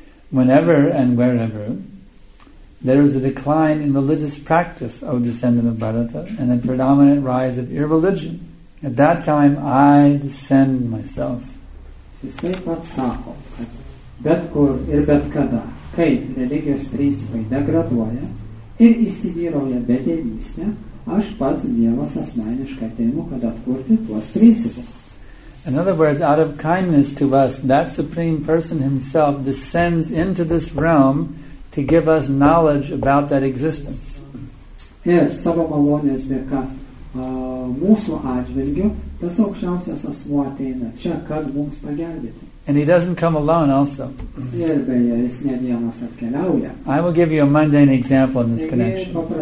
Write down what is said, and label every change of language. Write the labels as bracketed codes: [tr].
[en] Whenever and wherever there is a decline in religious practice, O descendant of Bharata, and a predominant rise of irreligion, at that time I descend myself. [lt] Jisai pats sako, kad bet kur ir bet kada, kai religijos principai degraduoja ir įsivyrauja bedievystė, aš pats Dievas asmeniškai ateinu, kad atkurti tuos principus. [en] In other words, out of kindness to us, that Supreme Person Himself descends into this realm to give us knowledge about that existence. [lt] Ir savo malonės dėka mūsų atžvilgiu tas aukščiausias asmuo ateina čia, kad mums pagelbėti. [en] And he doesn't come alone also. I will give you a mundane example in this connection.